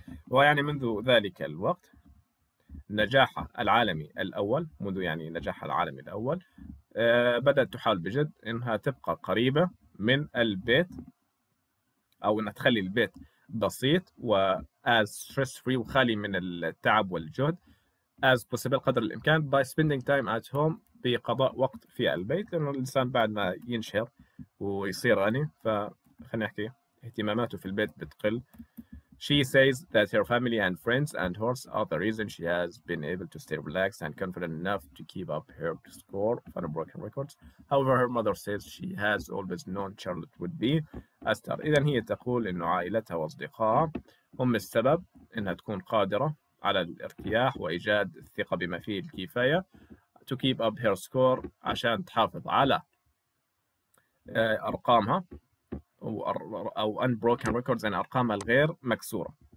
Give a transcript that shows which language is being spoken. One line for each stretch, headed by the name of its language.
Arabic: ويعني منذ ذلك الوقت نجاحها العالمي الأول، منذ يعني نجاحها العالمي الأول، بدأت تحاول بجد إنها تبقى قريبة من البيت، أو إنها تخلي البيت بسيط و
English: as stress free
Arabic: وخالي من التعب والجهد
English: as possible
Arabic: قدر الإمكان
English: by spending time at home،
Arabic: بقضاء وقت في البيت، لأن الإنسان بعد ما ينشهر ويصير غني فخلينا نحكي اهتماماته في البيت بتقل.
English: She says that her family and friends and horse are the reason she has been able to stay relaxed and confident enough to keep up her score of unbroken records. However, her mother says she has always known Charlotte would be a star.
Arabic: إذن هي تقول إن عائلتها وأصدقائها هم السبب إنها تكون قادرة على الارتياح وإيجاد الثقة بما فيه الكفاية
English: to keep up her score،
Arabic: عشان تحافظ على أرقامها أو
English: unbroken records
Arabic: يعني أرقامها الغير مكسورة.